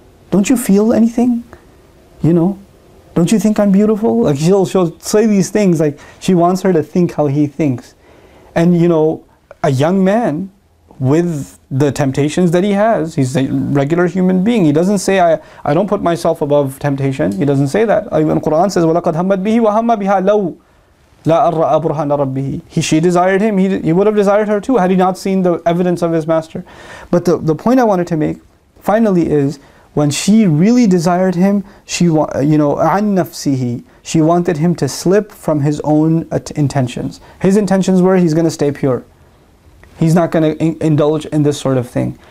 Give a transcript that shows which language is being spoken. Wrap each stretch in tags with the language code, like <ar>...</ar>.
<en>Don't you feel anything? You know? Don't you think I'm beautiful? Like, she'll say these things, like, she wants her to think how he thinks. And, you know, a young man, with the temptations that he has, he's a regular human being. He doesn't say, I don't put myself above temptation. He doesn't say that. Even Quran says,</en> <ar>وَلَقَدْ هَمَّتْ بِهِ وَهَمَّ بِهَا لَوْ لا أرأى برهان ربه.</ar> <en>She desired him, he would have desired her too had he not seen the evidence of his master. But the point I wanted to make finally is, when she really desired him, she, you know,</en> <ar>عن نفسه,</ar> <en>she wanted him to slip from his own intentions. His intentions were, he's going to stay pure, he's not going to indulge in this sort of thing.</en>